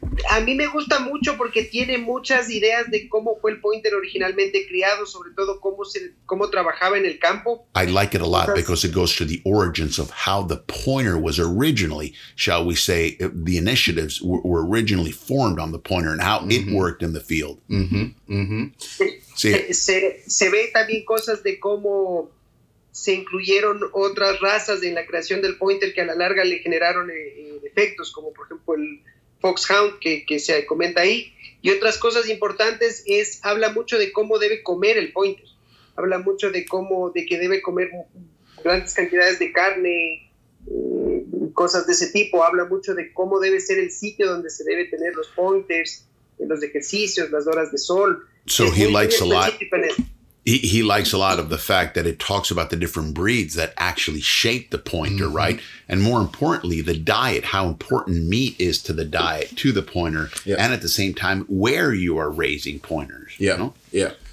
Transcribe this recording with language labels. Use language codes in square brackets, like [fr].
[es] A mí me gusta mucho porque tiene muchas ideas de cómo fue el pointer originalmente criado, sobre todo cómo trabajaba en el campo. [en] I like it a lot because it goes to the origins of how the pointer was originally, shall we say, the initiatives were originally formed on the pointer and how mm-hmm. it worked in the field. Mm-hmm. Mm-hmm. [es] Se ve también cosas de cómo se incluyeron otras razas en la creación del pointer que a la larga le generaron defectos, como por ejemplo el foxhound que se comenta ahí. Y otras cosas importantes es, habla mucho de cómo debe comer el pointer. Habla mucho de cómo, de que debe comer grandes cantidades de carne, cosas de ese tipo. Habla mucho de cómo debe ser el sitio donde se debe tener los pointers, los ejercicios, las horas de sol. [en] So he likes a lot. He likes a lot of the fact that it talks about the different breeds that actually shape the pointer, mm-hmm. right? And more importantly, the diet, how important meat is to the diet, to the pointer, yep. and at the same time, where you are raising pointers. Yeah. You know? Yeah.